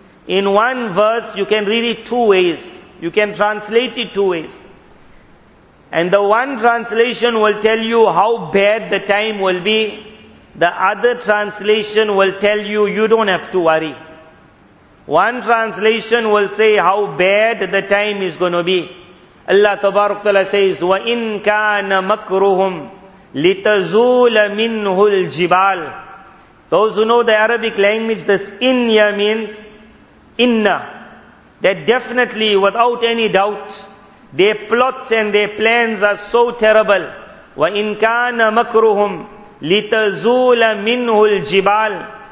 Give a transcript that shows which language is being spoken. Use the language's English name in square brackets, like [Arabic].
[English] In one verse, you can read it two ways. You can translate it two ways. And the one translation will tell you how bad the time will be. The other translation will tell you, you don't have to worry. One translation will say how bad the time is going to be. Allah Tabarakallah says, [Arabic] وَإِن كَانَ مَكْرُهُمْ لِتَزُولَ مِنْهُ الْجِبَالِ. [English] Those who know the Arabic language, this inya means inna. That definitely, without any doubt, their plots and their plans are so terrible. [Arabic] وَإِن كَانَ مَكْرُهُمْ لِتَزُولَ مِنْهُ الْجِبَالِ.